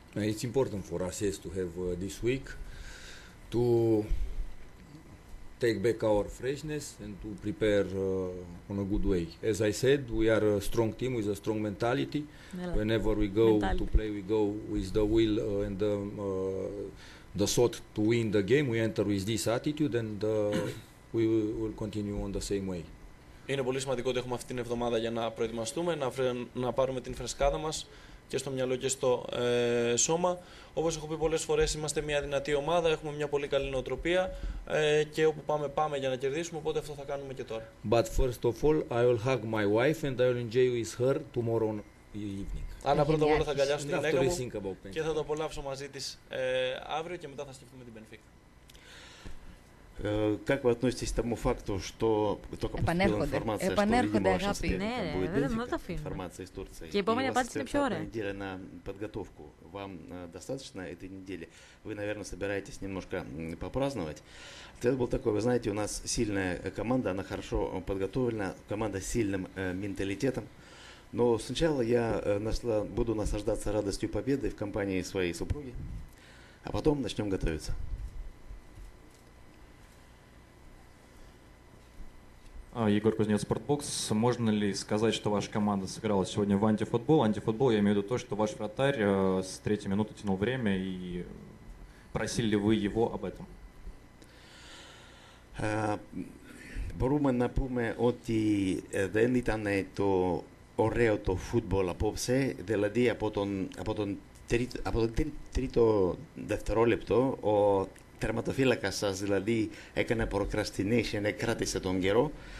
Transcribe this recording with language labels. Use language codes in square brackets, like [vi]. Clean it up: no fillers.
[en] It's important for us, yes, to have this week to take back our freshness and to prepare on a good way. As I said, we are a strong team with a strong mentality. Whenever we go to play, we go with the will and the thought to win the game. We enter with this attitude and we will continue on the same way. [el] Είναι πολύ σημαντικό ότι έχουμε αυτήν την εβδομάδα για να προετοιμαστούμε, να πάρουμε την φρεσκάδα μας και στο μυαλό και στο σώμα. Όπως έχω πει πολλές φορές, είμαστε μια δυνατή ομάδα, έχουμε μια πολύ καλή νοοτροπία και όπου πάμε, πάμε για να κερδίσουμε, οπότε αυτό θα κάνουμε και τώρα. [en] But first of all, I will hug my wife and I will enjoy with her tomorrow evening. [el] Άρα πρώτα απ' όλα θα αγκαλιάσω την γυναίκα μου και θα το απολαύσω μαζί της αύριο και μετά θα σκεφτούμε την Benfica. [ru] Как вы относитесь к тому факту, что только поступила информация, Эпанерходе, что видимо ваша стрелка будет Бенфика, информация из Турции? И у вас целая неделя на подготовку. Вам достаточно этой недели? Вы, наверное, собираетесь немножко попраздновать. Ответ был такой: вы знаете, у нас сильная команда, она хорошо подготовлена, команда с сильным менталитетом. Но сначала я буду наслаждаться радостью победы в компании своей супруги, а потом начнем готовиться. Егор Кузнец, Спортбокс. Можно ли сказать, что ваша команда сыграла сегодня в антифутбол? Антифутбол, я имею в виду то, что ваш вратарь с третьей минуты тянул время, и просили ли вы его об этом? [el] Μπορούμε να πούμε ότι δεν ήταν το ωραίο το φούτμπολ απόψε, δηλαδή από τον τρίτο δευτερόλεπτο ο τερματοφύλακας σας δηλαδή έκανε procrastination, κράτησε τον καιρό.